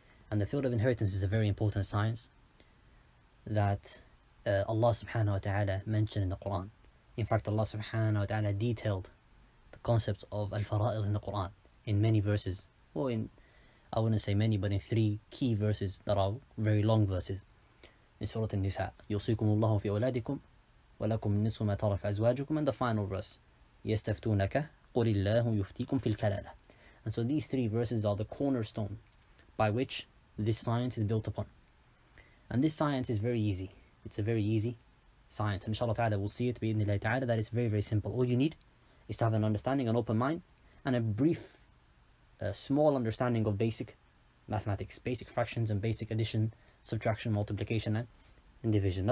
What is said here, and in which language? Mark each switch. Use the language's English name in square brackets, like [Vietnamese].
[English] And the field of inheritance is a very important science that Allah subhanahu wa ta'ala mentioned in the Quran. In fact, Allah subhanahu wa ta'ala detailed concepts of al-fara'idh in the Quran in many verses, or in, I wouldn't say many, but in three key verses that are very long verses. In Surah An-Nisa, [Arabic] يُوصِيكُمُ اللَّهُ فِي أَوْلَادِكُمْ وَلَكُمْ نِصْفُ مَا تَرَكَ أَزْوَاجُكُمْ, [English] and the final verse, [Arabic] يَسْتَفْتُونَكَ قُلِ اللَّهُ يُفْتِيكُمْ فِي الْكَلَالَةِ. [English] And so these three verses are the cornerstone by which this science is built upon. And this science is very easy. It's a very easy science. And inshallah ta'ala, we'll see it [Arabic] بإذن الله تعالى, [English] that it's very, very simple. All you need is to have an understanding, an open mind, and a brief, small understanding of basic mathematics, basic fractions and basic addition, subtraction, multiplication, and division.